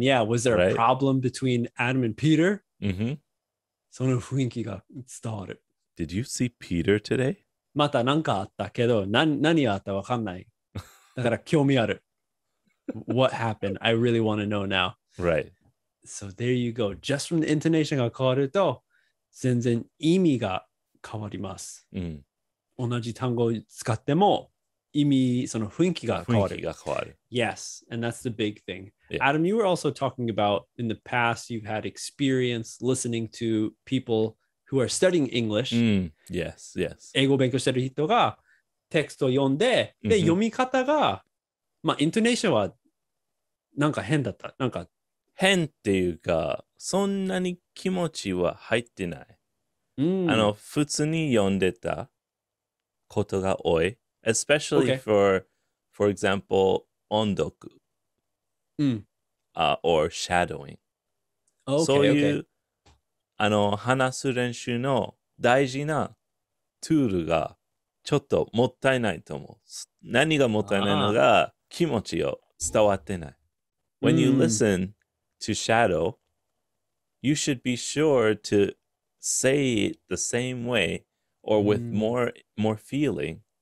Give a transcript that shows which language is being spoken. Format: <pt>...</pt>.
<en>Yeah, was there a problem between Adam and Peter? Mm-hmm.</en> <ja>その雰囲気が伝わる。</ja> <en>Did you see Peter today?</en> <ja>またなんかあったけど、何があったわかんない。だから興味ある。</ja> <en>What happened? I really want to know now. Right. So there you go. Just from the intonation</en> <ja>が変わると、全然意味が変わります。うん、同じ単語を使っても、意味、その雰囲気が変わる。雰囲気が変わる。</ja> <en>Yes, and that's the big thing. Yeah. Adam, you were also talking about in the past, you've had experience listening to people who are studying English. Mm. Yes, yes.</en> <ja>英語を勉強してる人がテクストを読んで、で、mm-hmm. 読み方が、まあ、イントネーションはなんか変だった。なんか変っていうか、そんなに気持ちは入ってない。 Mm. あの、普通に読んでたことが多い。</ja> <en>Especially for example, 音読、</en> <ja>うん</ja> <en>or shadowing. Okay,</en> <ja>そういう、</ja> <en>okay.</en> <ja>あの話す練習の大事なツールがちょっともったいないと思う。何がもったいないのが気持ちを伝わってない。</ja> <en>When you listen to shadow, you should be sure to say it the same way or with more feeling.</en>